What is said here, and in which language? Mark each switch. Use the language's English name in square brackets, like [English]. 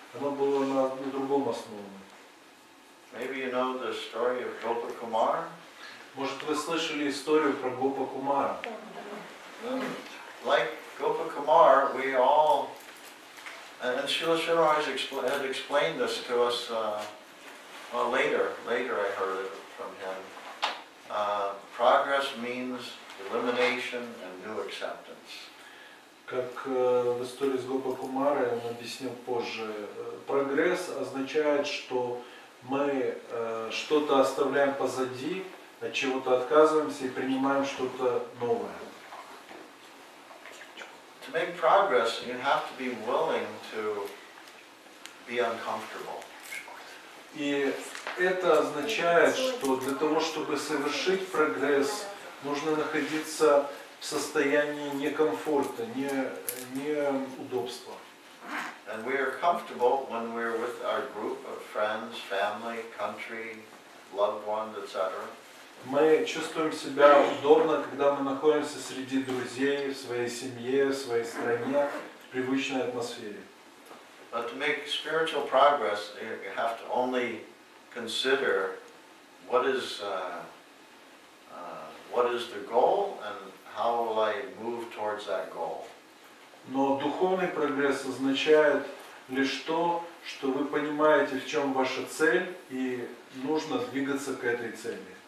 [Russian] Оно было на другом основано. [English] Maybe you know the story of Gopa Kumar? [Russian] Может, вы слышали историю про Гопа Кумара? [English] Like Gopa Kumar, we all... And Srila Giri had explained this to us well, later I heard it from him. Progress means elimination and new acceptance. [Russian] Как в истории с Гопа Кумара, он объяснил позже, прогресс означает, что мы что-то оставляем позади, от чего-то отказываемся и принимаем что-то новое. [English] To make progress, you have to be willing to be uncomfortable. [Russian] И это означает, что для того, чтобы совершить прогресс, нужно находиться в состоянии некомфорта, неудобства. [English] And we are comfortable when we're with our group of friends, family, country, loved ones, etc. [Russian] Мы чувствуем себя удобно, когда мы находимся среди друзей, в своей семье, в своей стране, в привычной атмосфере. [English] But to make spiritual progress, you have to only consider what is the goal and how will I move towards that goal. [Russian] Но духовный прогресс означает лишь то, что вы понимаете, в чем ваша цель, и нужно двигаться к этой цели.